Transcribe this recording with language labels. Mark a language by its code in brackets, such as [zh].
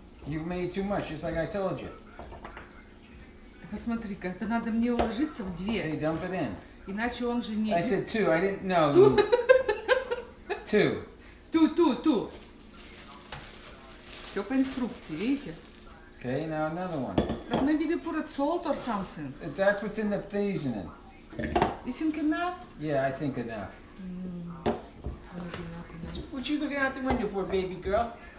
[en] You've made too much, just like I told you. [ru] Посмотри, как-то надо мне уложиться в две. [en] Hey, dump it in. [ru] Иначе он же не. [en] I said two, I didn't know. Two. Two. Two, two, two. [ru] Все по инструкции, видите? [en] Okay, now another one. But maybe we put a salt or something. That's what's in the seasoning. You think enough? Yeah, I think enough. Mm. What you looking out the window for, baby girl?